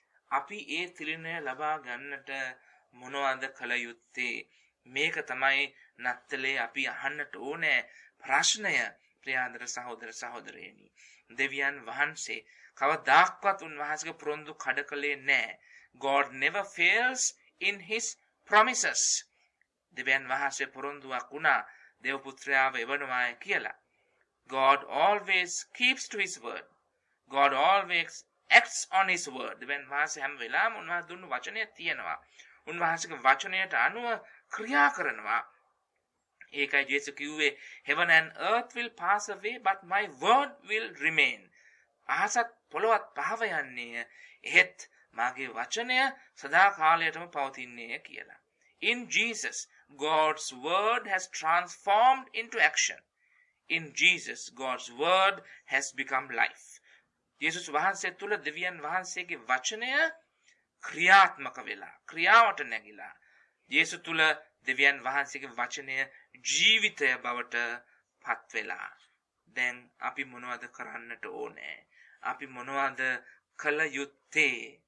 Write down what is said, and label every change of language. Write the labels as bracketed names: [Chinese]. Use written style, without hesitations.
[Sinhala] අපි ඒ තිළිණය ලබා ගන්නට මොනවද කළ යුත්තේ? මේක තමයි නත්තලේ අපි අහන්නට ඕනේ ප්‍රශ්නය. ප්‍රියාදර සහෝදර සහෝදරයනි, දෙවියන් වහන්සේ කවදාක්වත් උන්වහන්සේගේ පුරොන්දු කඩකලේ නැහැ. [English] God never fails in his promises. [Sinhala] දෙවියන් වහන්සේ පුරොන්දුවක් වුණා දේවපුත්‍රයාව එවනවායි කියලා. [English] God always keeps to his word. God always acts on his word. [Sinhala] දෙවියන් වහන්සේ හැම වෙලාවෙම උන්වහන්සේ දුන්න වචනය තියෙනවා. උන්වහන්සේගේ වචනයට අනුව ක්‍රියා කරනවා. ඒකයි ජේසු කිව්වේ, [English] heaven and earth will pass away but my word will remain. [Sinhala] අහසත් පොළොවත් පහව යන්නේ, එහෙත් මාගේ වචනය සදාකාලයටම පවතින්නේ කියලා. [English] In Jesus, God's word has transformed into action. In Jesus, God's word has become life. [Sinhala] ජේසුස් වහන්සේ තුල දෙවියන් වහන්සේගේ වචනය ක්‍රියාත්මක වෙලා, ක්‍රියාවට නැගිලා. ජේසු තුල දෙවියන් වහන්සේගේ වචනය ජීවිතය බවට පත් වෙලා. දැන් අපි මොනවද කරන්නට ඕනේ? අපි මොනවද කළ යුත්තේ?